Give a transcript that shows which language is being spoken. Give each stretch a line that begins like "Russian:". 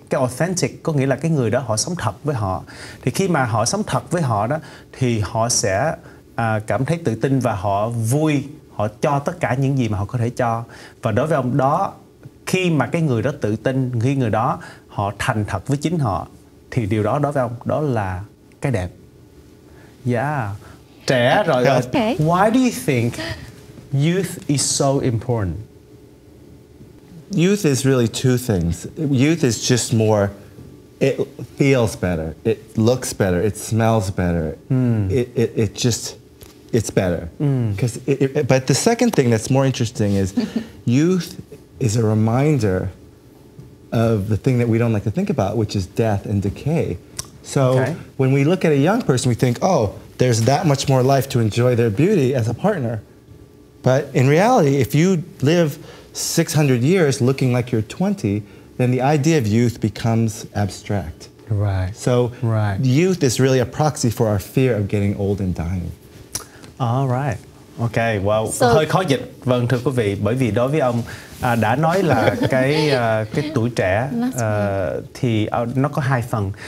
Vietnamese: Cái authentic có nghĩa là cái người đó họ sống thật với họ, thì khi mà họ sống thật với họ đó thì họ sẽ cảm thấy tự tin và họ vui, họ cho tất cả những gì mà họ có thể cho. Và đối với ông đó, khi mà cái người đó tự tin, khi người đó họ thành thật với chính họ, thì điều đó đối với ông đó là cái đẹp. Yeah. Trẻ rồi.
English: Okay. Why do you think youth is so important? Youth is really two things. Youth is just more, it feels better, it looks better, it smells better, it's better. Because but the second thing that's more interesting is youth is a reminder of the thing that we don't like to think about, which is death and decay. So when we look at a young person, we think, oh, there's that much more life to enjoy their beauty as a partner. But in reality, if you live 600 years looking like you're 20, then the idea of youth becomes abstract. Right. So youth is really a proxy for our fear of getting old and dying. All right. Okay, well,
Vietnamese: hơi khó dịch. Vâng, thưa quý vị, bởi vì đối với ông đã nói là cái tuổi trẻ thì nó có hai phần.